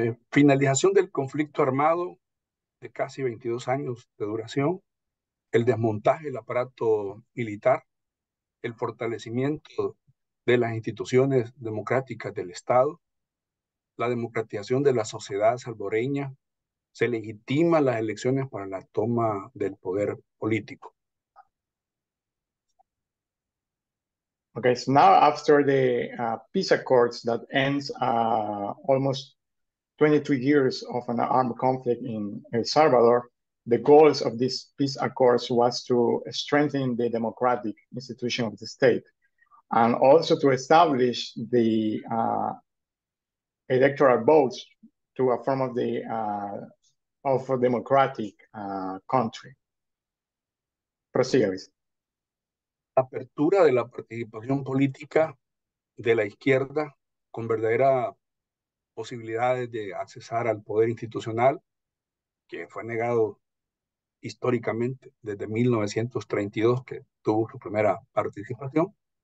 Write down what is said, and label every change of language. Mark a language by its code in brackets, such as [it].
[es] Finalización del conflicto armado de casi 22 años de duración, el desmontaje del aparato militar, el fortalecimiento de las instituciones democráticas del Estado, la democratización de la sociedad salvadoreña, se legitima las elecciones para la toma del poder político. [en] Okay, so now after the peace accords that ends almost 22 years of an armed conflict in El Salvador, the goals of this peace accords was to strengthen the democratic institution of the state and also to establish the electoral votes to a form of the of a democratic country. Proceed, please. [es] Apertura de la participación política de la izquierda con verdaderas posibilidades de accesar al poder institucional que fue negado históricamente desde 1932 que tuvo su primera participación.